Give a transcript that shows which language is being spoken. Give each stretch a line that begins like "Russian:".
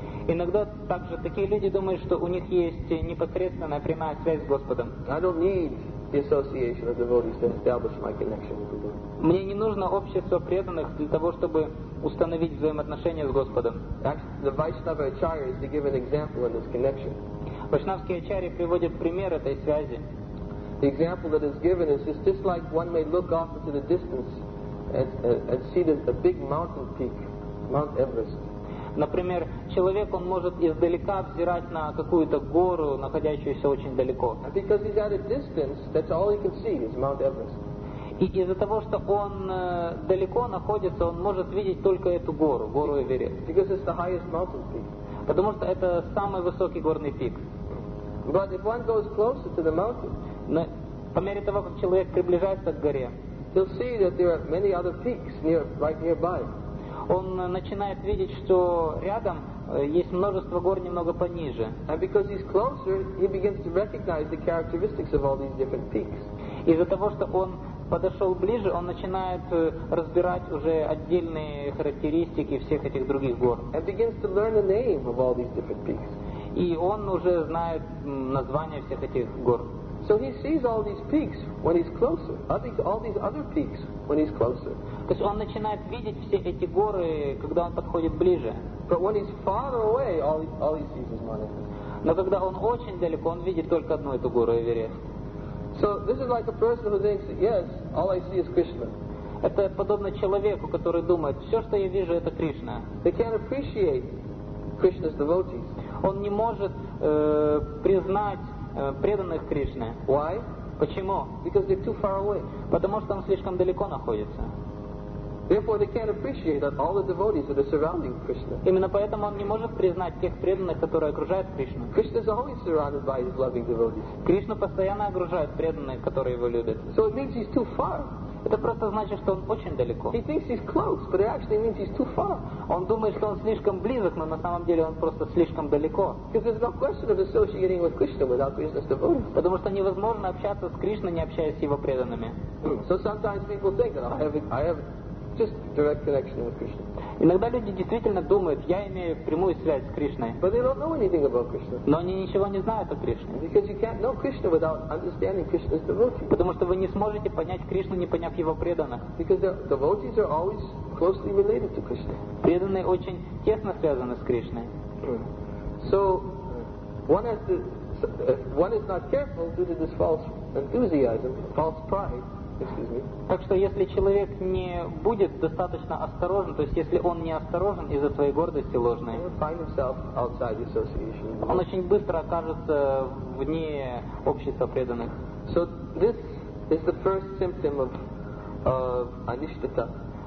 Russian: Иногда также такие люди думают, что у них есть непосредственная прямая связь с Господом.
English: I don't need the association of devotees to establish my connection with the Lord.
Russian: Мне не нужно общество преданных для того, чтобы установить взаимоотношения с Господом.
English: Actually, the Vaishnava Acharya is to give an example in this connection.
Russian: Вайшнавские ачарьи приводят пример этой связи.
English: The example that is given is just like one may look off into the distance and see the big mountain peak, Mount Everest.
Russian: Например, человек он может издалека взирать на какую-то гору, находящуюся очень далеко.
English: And because he's at a distance, that's all he can see is Mount Everest.
Russian: И из-за того, что он далеко находится, он может видеть только эту гору, гору Эверест.
English: Because it's the highest mountain peak.
Russian: Потому что это самый высокий горный пик.
English: But if one goes closer to the mountain,
Russian: но по мере того, как человек приближается к горе,
English: he'll see that there are many other peaks near, right nearby.
Russian: Он начинает видеть, что рядом есть множество гор немного пониже.
English: And because he's closer, he begins to recognize the characteristics of all these different peaks.
Russian: Из-за того, что он подошел ближе, он начинает разбирать уже отдельные характеристики всех этих других гор.
English: And begins to learn the name of all these different peaks.
Russian: И он уже знает названия всех этих гор.
English: So he sees all these peaks when he's closer. All these other peaks when he's closer.
Russian: То есть он начинает видеть все эти горы, когда он подходит ближе.
English: But when he's far away, all he sees is Mount Everest.
Russian: Но когда он очень далеко, он видит только одну эту гору Эверест.
English: So this is like a person who thinks, yes, all I see is Krishna.
Russian: Это подобно человеку, который думает, все, что я вижу, это Кришна.
English: They can't appreciate Krishna's devotees.
Russian: Он не может признать преданных Кришне.
English: Why?
Russian: Почему?
English: Because they're too far away.
Russian: Потому что он слишком далеко находится.
English: Therefore, they can't appreciate that all the devotees that are surrounding Krishna.
Russian: Именно поэтому он не может признать тех преданных, которые окружают Кришну.
English: Krishna is always surrounded by his loving devotees.
Russian: Кришну постоянно окружают преданные, которые его любят.
English: So it means he's too far.
Russian: Это просто значит, что он очень далеко.
English: He thinks he's close, but it actually means he's too far.
Russian: Он думает, что он слишком близок, но на самом деле он просто слишком далеко.
English: Because there's no question of associating with Krishna without Krishna's devotees.
Russian: Потому что невозможно общаться с Кришной, не общаясь с его преданными.
English: So sometimes people think that I have just direct connection with Krishna.
Russian: Иногда люди действительно думают, я имею прямую связь с Кришной.
English: But they don't know anything about Krishna.
Russian: Но они ничего не знают о Кришне.
English: Because you can't know Krishna without understanding Krishna's devotees.
Russian: Потому что вы не сможете понять Кришну, не поняв его преданных.
English: Because the devotees are always closely related to Krishna.
Russian: Преданные очень тесно связаны с Кришной.
English: So one is not careful due to this false enthusiasm, false pride.
Russian: Так что если человек не будет достаточно осторожен, то есть если он не осторожен из-за своей гордости ложной, он очень быстро окажется вне общества преданных.
English: So this is the first symptom of anishtata.